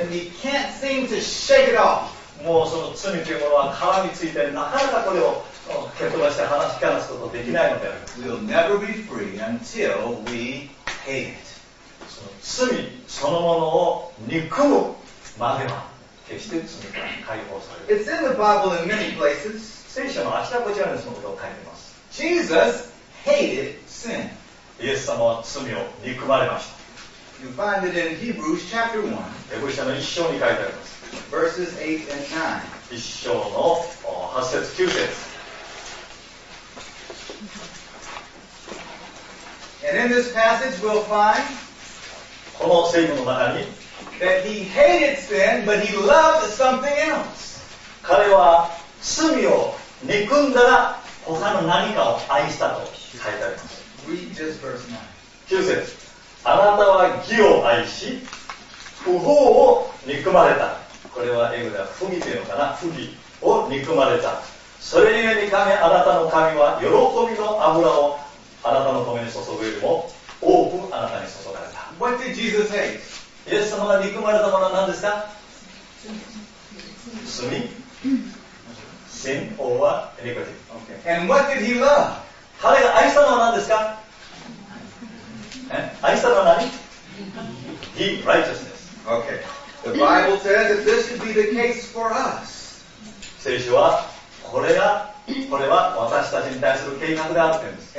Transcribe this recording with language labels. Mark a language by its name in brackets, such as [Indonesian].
[English] And we can't seem to shake it off. [Japanese] もうその罪というものは皮についてなかなかこれを [English] We'll never be free until we hate it. [Japanese] So, 罪そのものを憎むまでは決して罪から解放される。 [English] It's in the Bible in many places. [Japanese] 聖書のあちらこちらにそのことを書いてます。 [English] Jesus hated sin. [Japanese] イエス様は罪を憎まれました。 [English] You find it in Hebrews chapter 1. [Japanese] ヘブル書の1章に書いてあります。 [English] Verses 8 and 9. [Japanese] 1章の8節9節。 [English] And in this passage we'll find [Japanese] この聖書の中に [English] that he hated sin, but he loved something else. [Japanese] 彼は罪を憎んだら他の何かを愛したと書いてあります。 [English] Read just verse 9. [Japanese] 9節。あなたは義を愛し、不法を憎まれた。これは英語では不義というのかな、不義を憎まれた。それゆえに神、あなたの神は喜びの油をあなたのために注ぐよりも多くあなたに注がれた。 [English] What did Jesus say? [Japanese] イエス様が憎まれたものは何ですか？ [English] 罪。Sin or iniquity. Okay. And what did he love? [Japanese] 彼が愛したのは何ですか？愛したのは何？義、righteousness。 [English] Okay. The Bible says that this should be the case for us. [Japanese] 聖書はこれは私たちに対する計画であるんです。